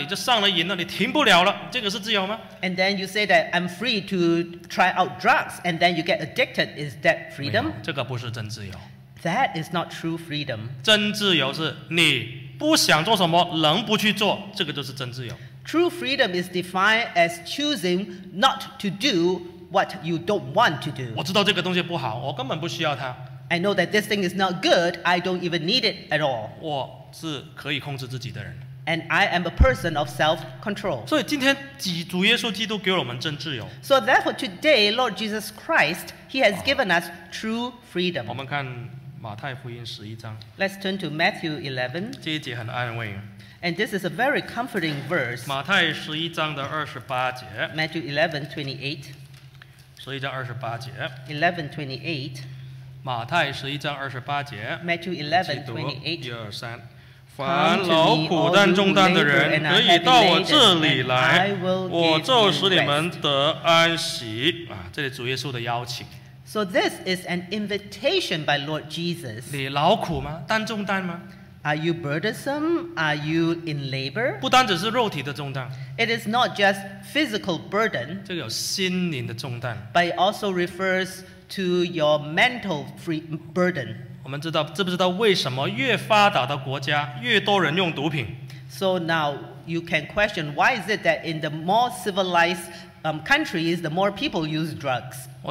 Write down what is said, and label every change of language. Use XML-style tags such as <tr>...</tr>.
<zh>那个毒品，后来你就上了瘾了，你停不了了，这个是自由吗？</zh> <en>And then you say that I'm free to try out drugs, and then you get addicted. Is that freedom?</en> <zh>没有，这个不是真自由。</zh> <en>That is not true freedom.</en> <zh>真自由是你不想做什么，能不去做，这个就是真自由。</zh> <en>True freedom is defined as choosing not to do what you don't want to do.</en> <zh>我知道这个东西不好，我根本不需要它。</zh> <en>I know that this thing is not good. I don't even need it at all.</en> <zh>我是可以控制自己的人。</zh> <en>And I am a person of self-control.</en> <zh>所以今天主耶稣基督给我们真自由。</zh> <en>So therefore today, Lord Jesus Christ, He has given us true freedom.</en> <zh>我们看马太福音11章。</zh> <en>Let's turn to Matthew 11.</en> <zh>这一节很安慰。</zh> <en>And this is a very comforting verse.</en> <zh>马太11章的28节。</zh> <en>Matthew 11:28.</en> <zh>11章28节。</zh> <en>11:28.</en> <zh>马太11章28节</zh> <en>Matthew 11:28</en> <zh>凡劳苦担重担的人可以到我这里来 我就使你们得安息 这里主耶稣的邀请</zh> <en>So this is an invitation by Lord Jesus.</en> <zh>你劳苦吗?担重担吗?</zh> <en>Are you burdensome? Are you in labor?</en> <zh>不单只是肉体的重担,</zh> <en>it is not just physical burden,</en> <zh>这个有心灵的重担,</zh> <en>but it also refers to your mental free burden.</en> <zh>我们知道,知不知道为什么越发达的国家越多人用毒品?</zh> <en>So now you can question, why is it that in the more civilized countries, the more people use drugs?</en>